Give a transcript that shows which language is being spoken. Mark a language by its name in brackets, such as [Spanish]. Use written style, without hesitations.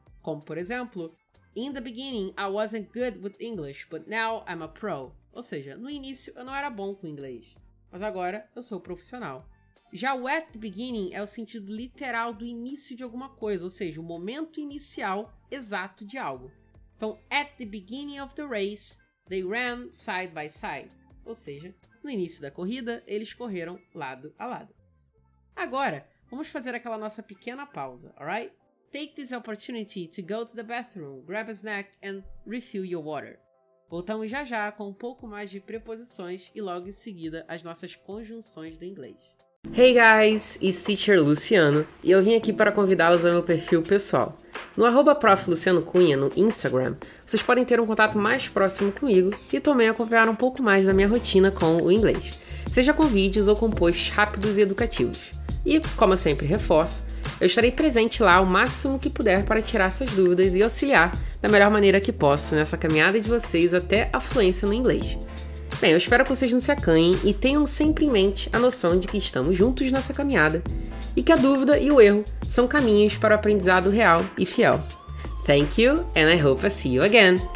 [Portuguese] Como, por exemplo, [English] in the beginning I wasn't good with English, but now I'm a pro. [Portuguese] Ou seja, no início eu não era bom com inglês, mas agora eu sou profissional. Já o at the beginning é o sentido literal do início de alguma coisa, ou seja, o momento inicial exato de algo. [English] Então, at the beginning of the race, they ran side by side. [Portuguese] Ou seja, no início da corrida, eles correram lado a lado. Agora, vamos fazer aquela nossa pequena pausa, alright? [English] Take this opportunity to go to the bathroom, grab a snack and refill your water. [Portuguese] Voltamos já já com um pouco mais de preposições e logo em seguida as nossas conjunções do inglês. [English] Hey guys, it's teacher Luciano [Portuguese] e eu vim aqui para convidá-los ao meu perfil pessoal. No arroba prof. Luciano Cunha no Instagram, vocês podem ter um contato mais próximo comigo e também acompanhar um pouco mais da minha rotina com o inglês, seja com vídeos ou com posts rápidos e educativos. E, como eu sempre reforço, eu estarei presente lá o máximo que puder para tirar suas dúvidas e auxiliar da melhor maneira que posso nessa caminhada de vocês até a fluência no inglês. Bem, eu espero que vocês não se acanhem e tenham sempre em mente a noção de que estamos juntos nessa caminhada e que a dúvida e o erro são caminhos para o aprendizado real e fiel. [English] Thank you and I hope I see you again.